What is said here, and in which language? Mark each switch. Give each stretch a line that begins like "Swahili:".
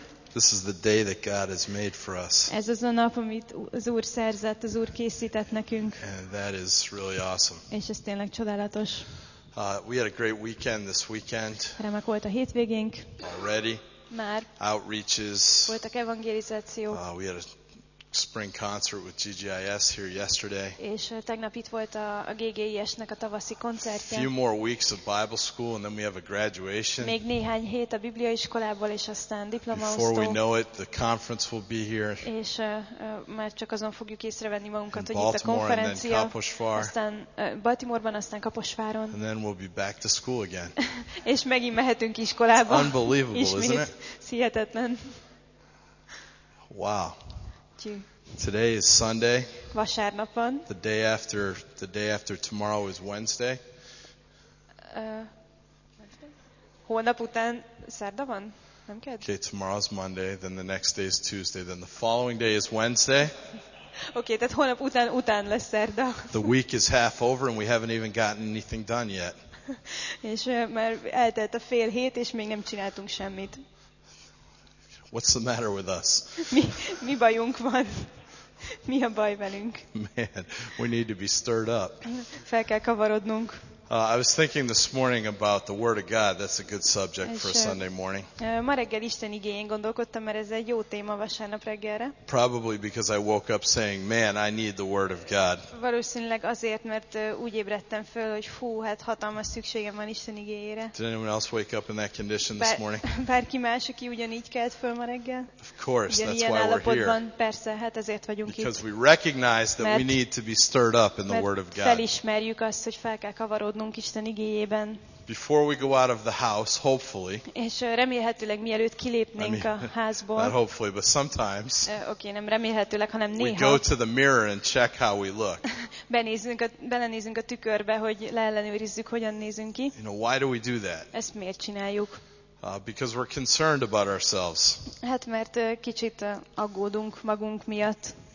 English: This is the day that God has made for us.
Hungarian: Ez az a nap, amit az Úr szerzett, az Úr készített nekünk.
English: And that is really awesome.
Hungarian: És ez tényleg csodálatos.
English: We had a great weekend this weekend.
Hungarian: Remek volt a hétvégénk.
English: Already.
Hungarian: Már.
English: Outreaches.
Hungarian: Voltak evangelizáció.
English: We had a spring concert with GGIS here yesterday.
Hungarian: És tegnap itt volt a GGIS-nek a tavaszi koncertje.
English: Few more weeks of Bible school and then we have a graduation.
Hungarian: Még néhány hét a bibliaiskolából és aztán diplomaosztó.
English: Before we know it, the conference will be here.
Hungarian: És már csak azon fogjuk észrevenni magunkat, hogy itt a konferencia. Aztán Baltimoreban, aztán Kaposváron.
English: And then we'll be back to school again.
Hungarian: És megint mehetünk iskolába.
English: Unbelievable, isn't it?
Hungarian: Hihetetlen.
English: Wow. Today is Sunday.
Hungarian: Vasárnap van.
English: The day after tomorrow is Wednesday.
Hungarian: Holnap után szerda van? Nem kell?
English: Okay, tomorrow's Monday, then the next day is Tuesday, then the following day is Wednesday.
Hungarian: Okay, tehát holnap után lesz szerda.
English: The week is half over and we haven't even gotten anything done yet.
Hungarian: És már eltelt a fél hét és még nem csináltunk semmit.
English: What's the matter with us?
Hungarian: Mi bajunk van? Mi a baj velünk?
English: Man, we need to be stirred up.
Hungarian: Fel kell kavarodnunk.
English: I was thinking this morning about the Word of God. That's a good subject for a Sunday morning.
Hungarian: Ma reggel Isten igényén gondolkodtam, mert ez egy jó téma vasárnap reggelre.
English: Probably because I woke up saying, man, I need the Word of God.
Hungarian: Valószínűleg azért, mert úgy ébredtem föl, hogy fú, hát hatalmas szükségem van Isten igényére.
English: Did anyone else wake up in that condition this morning?
Hungarian: Bárki más, aki ugyanígy kelt föl ma reggel?
English: Of course, that's why we're here.
Hungarian: Ilyen állapotban, persze, hát ezért vagyunk itt.
English: Because we recognize that we need to be stirred up in the Word of God.
Hungarian: Felismerjük azt, hogy fel kell kavarodni.
English: Before we go out of the house, hopefully.
Hungarian: És remélhetőleg mielőtt kilépnénk a házból.
English: Not hopefully, but sometimes.
Hungarian: Okay, nem remélhetőleg, hanem néha.
English: We go to the mirror and check how we look.
Hungarian: Belenézünk a tükörbe, hogy leellenőrizzük, hogyan nézünk ki.
English: You know, why do we do that?
Hungarian: Ezt miért csináljuk?
English: Because we're concerned about ourselves.
Hungarian: Hát mert kicsit aggódunk magunk miatt.